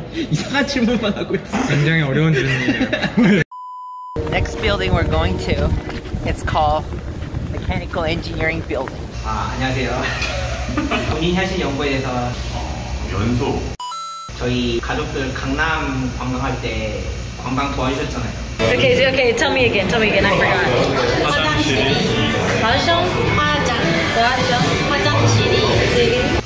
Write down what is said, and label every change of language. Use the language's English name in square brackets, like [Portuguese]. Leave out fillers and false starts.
[Korean] 이상한 질문만 하고 있어. 굉장히 어려운 질문이에요. [English] Next building we're going to, it's called Mechanical Engineering Building. [Korean] 아, 안녕하세요. 본인 하신 연구에 대해서 연소 저희 가족들 강남 관광할 때 관광 도와주셨잖아요. [English] Okay, tell me again, I forgot. [Korean] 화장실이